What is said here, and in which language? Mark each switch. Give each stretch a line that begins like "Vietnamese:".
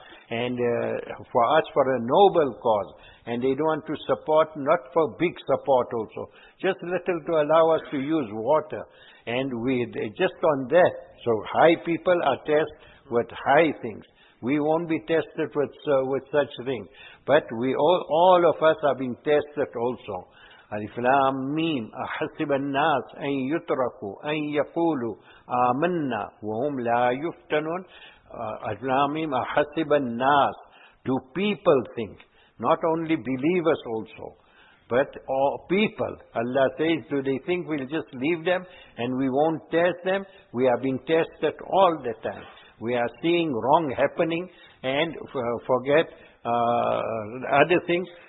English: And for us, for a noble cause. And they don't want to support, not for big support also. Just little to allow us to use water. And just on that, so high people are tested with high things. We won't be tested with such things. But we all of us are being tested also.
Arabic: Alif Lam Mim, أحسب الناس أن يتركوا أن يقولوا آمنا وهم لا يفتنون. Alif Lam Mim, أحسب الناس.
English: Do people think? Not only believers also, but all people. Allah says, do they think we'll just leave them and we won't test them? We are being tested all the time. We are seeing wrong happening and forget other things.